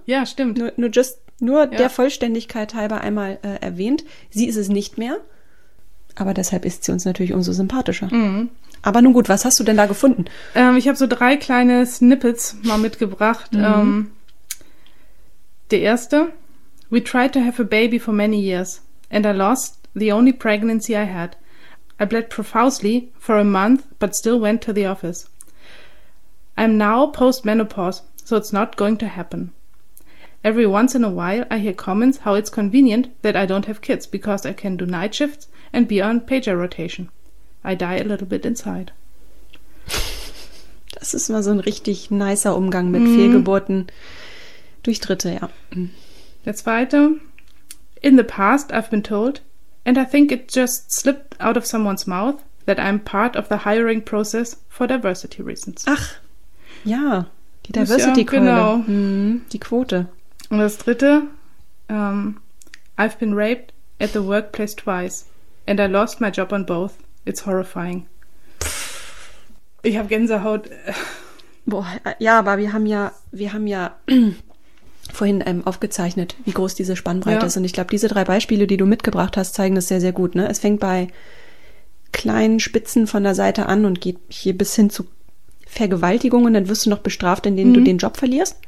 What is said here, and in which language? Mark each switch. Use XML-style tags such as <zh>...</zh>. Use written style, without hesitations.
<de>Ja, stimmt. Nur der Vollständigkeit halber einmal erwähnt. Sie ist es nicht mehr. Aber deshalb ist sie uns natürlich umso sympathischer. Mhm. Aber nun gut, was hast du denn da gefunden? Ich habe so 3 kleine Snippets mal mitgebracht. Mhm. Der erste.</de> <en>We tried to have a baby for many years. And I lost the only pregnancy I had. I bled profusely for a month, but still went to the office. I'm now post-menopause, so it's not going to happen. Every once in a while, I hear comments how it's convenient that I don't have kids because I can do night shifts and be on pager rotation. I die a little bit inside.</en> <de>Das ist mal so ein richtig nicer Umgang mit Fehlgeburten durch Dritte, ja. Der zweite.</de> <en>In the past, I've been told, and I think it just slipped out of someone's mouth, that I'm part of the hiring process for diversity reasons.</en> <de>Ach, ja, die Diversity-Keule. Genau. Die Quote. Und das dritte,</de> <en>I've been raped at the workplace twice and I lost my job on both. It's horrifying.</en> <de>Pff. Ich habe Gänsehaut. Boah, ja, aber wir haben ja vorhin aufgezeichnet, wie groß diese Spannbreite ist. Und ich glaube, diese 3 Beispiele, die du mitgebracht hast, zeigen das sehr, sehr gut. Ne? Es fängt bei kleinen Spitzen von der Seite an und geht hier bis hin zu Vergewaltigung und dann wirst du noch bestraft, indem du den Job verlierst.</de>